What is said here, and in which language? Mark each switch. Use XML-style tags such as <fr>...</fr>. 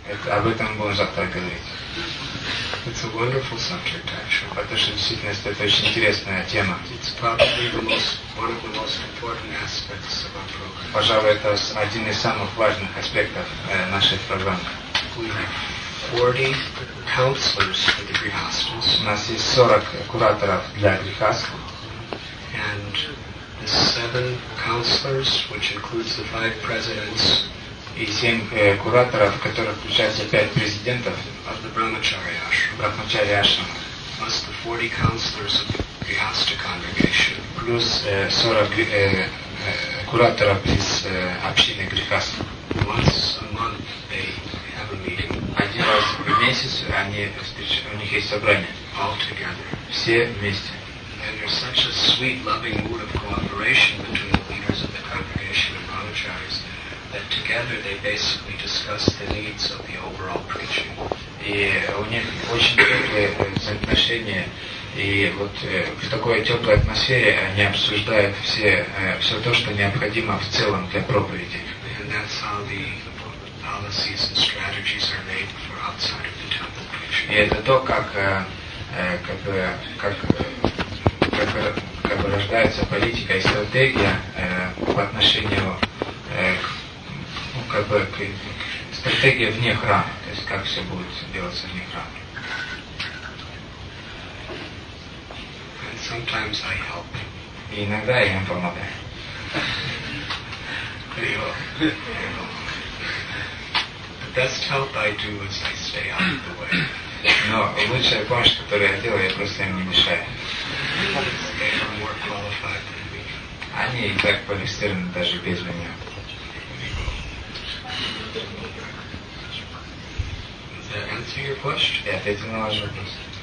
<ru>Об этом будем завтра говорить.</ru> <en>It's a wonderful subject, actually.</en> <ru>Это же действительно это очень интересная тема.</ru> <en>It's probably one of the most important aspects of our program.</en> <ru>Пожалуй, это один из самых важных аспектов нашей программы.</ru> <en>We have 40 counselors for the Greek hostels.</en> <ru>У нас есть 40 кураторов для</ru> <en>Greek hostels. And the 7 counselors, which includes the 5 presidents.</en> <ru>И 7 кураторов, которые включаются 5 президентов</ru> <en>of the Brahmacharya Ashram.</en> <ru>Brahmacharya Ashram.</ru> <en>Plus the 40 counselors of the Grihastha congregation.</en> <ru>Плюс 40 кураторов из общины Грихаста.</ru> <en>Once a month they have a meeting.</en> <ru>Один раз в месяц они встречаются, у них есть собрание.</ru> <en>All together.</en> <ru>Все вместе.</ru> <en>And there's such a sweet, loving mood of cooperation between the leaders of the congregation and Brahmacharyas. That together they basically discuss the needs of the overall preaching.</en> <ru>И у них очень теплые взаимоотношения, и вот в такой теплой атмосфере они обсуждают все то, что необходимо в целом для проповеди.</ru> <en>And that's how the policies and strategies are made for outside of the temple preaching.</en> <ru>И это то, как рождается политика и стратегия по отношению к как бы стратегия вне храма, то есть как все будет делаться вне храма.</ru> <en>And sometimes I help.</en> <ru>И иногда я им помогаю.</ru> <en>The best help I do is I stay out of the way.</en> <ru>Но лучшая помощь, которую я делаю, я просто им не мешаю.</ru> <en>They are more qualified than me.</en> <ru>Они и так квалифицированы даже без меня.</ru> <en>Answer your question.</en> <ru>Yeah, ответил на ваш вопрос.</ru>